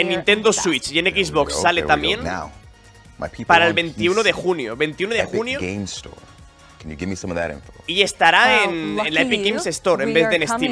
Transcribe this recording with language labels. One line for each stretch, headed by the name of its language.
Spanish: En Nintendo Switch y en Xbox sale también. Para el 21 de junio. 21 de junio.
English: Can you give me some of that info?
Spanish: Y estará en la Epic Games Store en vez de en Steam.